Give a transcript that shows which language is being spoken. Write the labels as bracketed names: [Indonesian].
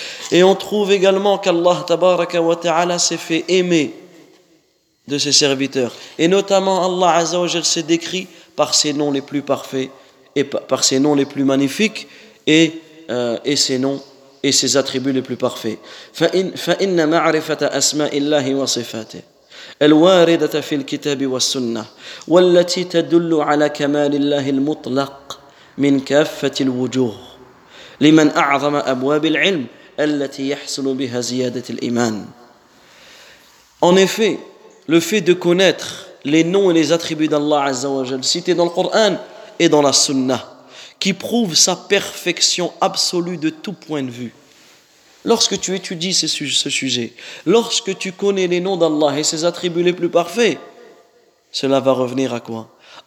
[French] Et on trouve également qu'Allah Tabaraka wa Ta'ala s'est fait aimer de ses serviteurs. Et notamment Allah Azza wa Jal s'est décrit par ses noms les plus parfaits, et par ses noms les plus magnifiques et ses noms et ses attributs les plus parfaits. [Arabic] فإن معرفة أسماء الله وصفاته الواردة في الكتاب والسنة والتي تدل على كمال الله المطلق من كافة الوجوه لمن أعظم أبواب العلم التي يحصل بها زيادة الإيمان. [French] En effet, le fait de connaître les noms et les attributs d'Allah Azza wa Jal cités dans le Coran et dans la Sunna, qui prouve sa perfection absolue de tout point de vue. Lorsque tu étudies ce sujet, lorsque tu connais les noms d'Allah et ses attributs les plus parfaits, cela va revenir à quoi ?